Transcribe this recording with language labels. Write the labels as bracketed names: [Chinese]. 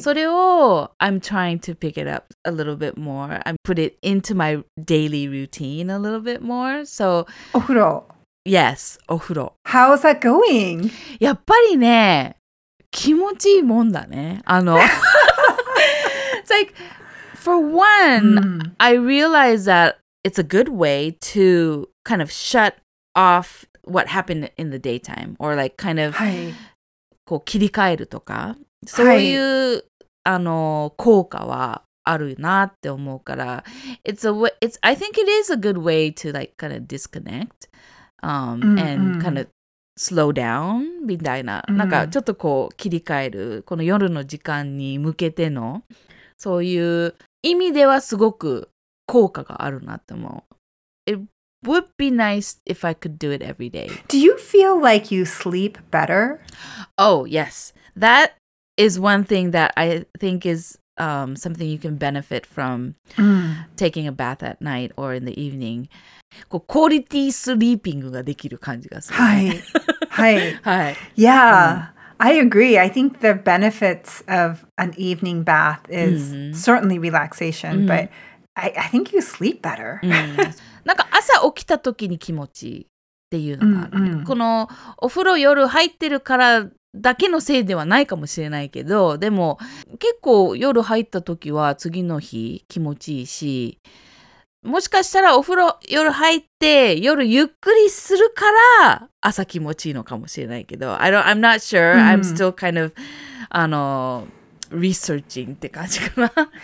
[Japanese] それを [English] I'm trying to pick it up a little bit more. I put it into my daily routine a little bit more. So, [Japanese] お風呂。 [English] Yes, [Japanese] お風呂。 [English] How's that going? [Japanese] やっぱりね、気持ちいいもんだね。 [English] It's like, for one,、mm. I realize that it's a good way to kind of shut off what happened in the daytime or like kind of、 [Japanese] はい、こう切り替えるとかそういう、はい、効果はあるなって思うから [English] it's I think it is a good way to like kind of disconnect、and kind of slow down [Japanese] みたいな、うん、なんかちょっとこう切り替えるこの夜の時間に向けてのそういう意味ではすごく効果があるなって思う [English] itWould be nice if I could do it every day. Do you feel like you sleep better? Oh, yes. That is one thing that I think is、something you can benefit from、 mm. taking a bath at night or in the evening. [Japanese] こう、クオリティースリーピングができる感じがする。はい。はい。はい。 [English] Yeah,、mm. I agree. I think the benefits of an evening bath is、mm. certainly relaxation,、mm. but I think you sleep better. 、 [Japanese] mm. なんか朝起きた時に気持ちいいっていうのがある、うんうん、このお風呂夜入ってるからだけのせいではないかもしれないけどでも結構夜入った時は次の日気持ちいいしもしかしたらお風呂夜入って夜ゆっくりするから朝気持ちいいのかもしれないけど [English] I don't, I'm not sure、 [Japanese] うん、 [English] I'm still kind of researching [Japanese] って感じかな